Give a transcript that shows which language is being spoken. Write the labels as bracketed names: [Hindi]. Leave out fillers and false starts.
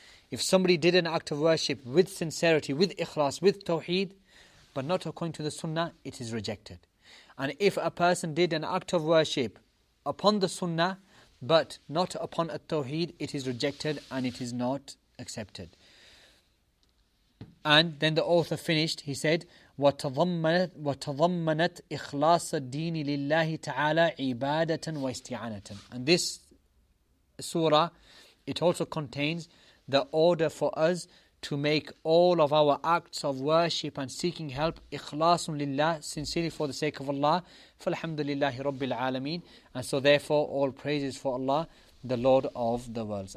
[English] If somebody did an act of worship with sincerity, with ikhlas, with tawheed, but not according to the sunnah, it is rejected. And if a person did an act of worship upon the sunnah, but not upon a tawheed, it is rejected and it is not accepted. And then the author finished, he said, [Arabic] وتضمنت إخلاص الدين لله تعالى عبادة واستعانة. [English] And this surah, it also contains the order for us to make all of our acts of worship and seeking help [Arabic] ikhlasun lillah, [English] sincerely for the sake of Allah. [Arabic] Falhamdulillahi rabbil alameen. [English] And so therefore all praises for Allah, the Lord of the worlds.